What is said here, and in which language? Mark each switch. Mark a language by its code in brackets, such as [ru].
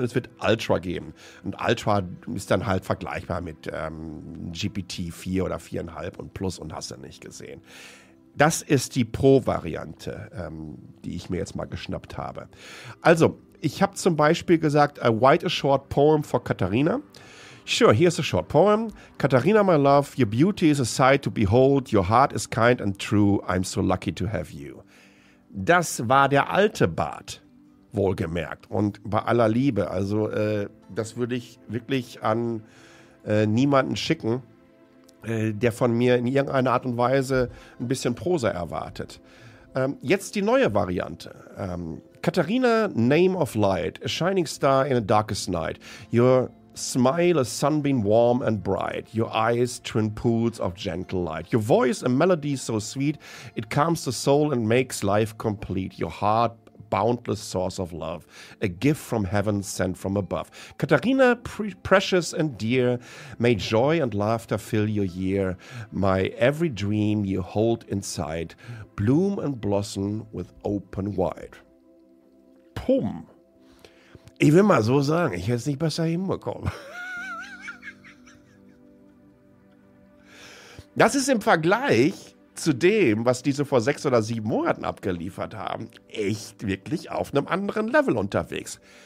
[de] Und es wird Ultra geben. Und Ultra ist dann halt vergleichbar mit GPT 4 oder 4,5 und Plus und hast du nicht gesehen. Das ist die Pro-Variante, die ich mir jetzt mal geschnappt habe. Also, ich habe zum Beispiel gesagt, [en] I write a short poem for Katharina. Sure, here's a short poem. Katharina, my love, your beauty is a sight to behold. Your heart is kind and true. I'm so lucky to have you. [de] Das war der alte Bart, wohlgemerkt. Und bei aller Liebe. Also, das würde ich wirklich an niemanden schicken, der von mir in irgendeiner Art und Weise ein bisschen Prosa erwartet. Jetzt die neue Variante. [en] Katharina, name of light, a shining star in a darkest night. Your smile, a sunbeam warm and bright. Your eyes, twin pools of gentle light. Your voice, a melody so sweet, it calms the soul and makes life complete. Your heart, boundless source of love, a gift from heaven sent from above. Katharina, precious and dear, may joy and laughter fill your year. My every dream you hold inside, bloom and blossom with open wide. Pum. [de] Ich will mal so sagen, ich hätte es nicht besser hinbekommen. Das ist im Vergleich zu dem, was die so vor 6 oder 7 Monaten abgeliefert haben, echt wirklich auf einem anderen Level unterwegs.